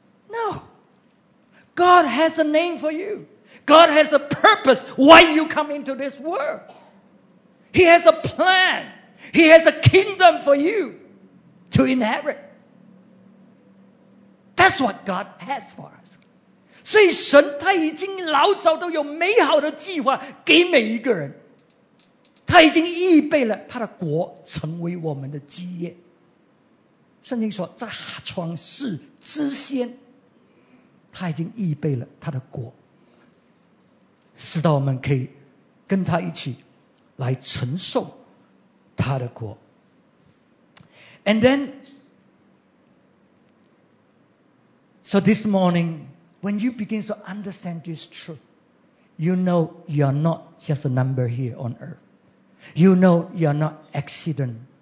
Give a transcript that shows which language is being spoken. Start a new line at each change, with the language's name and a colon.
English: No. God has a name for you. God has a purpose why you come into this world. He has a plan. He has a kingdom for you to inherit. That's what God has for us.
Chinese: 所以神他已经老早都有美好的计划给每一个人。他已经预备了他的国成为我们的基业。圣经说在创世之先他已经预备了他的国，使到我们可以跟他一起来承受他的国。
English: And thenSo this morning, when you begin to understand this truth, you know you are not just a number here on earth. You know you are not accident.